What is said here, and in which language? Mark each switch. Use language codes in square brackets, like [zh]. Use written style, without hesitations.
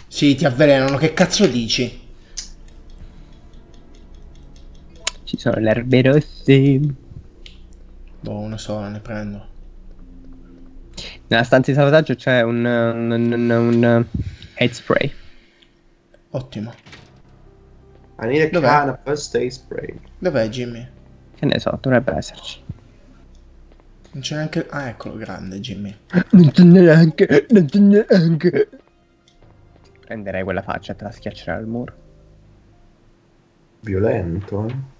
[it] Sì, ti avvelenano, che cazzo dici? Ci sono le erbe rosse. Boh, una sola ne prendo. Nella stanza di salvataggio c'è un hate spray. Ottimo. [en] I need a can of first aid spray. [it] Dov'è, Jimmy? Che ne so, dovrebbe esserci. Non c'è neanche... Ah, eccolo, grande, Jimmy. Non c'è neanche, non c'è neanche. Prenderei quella faccia e te la schiaccerai al muro. Violento, eh?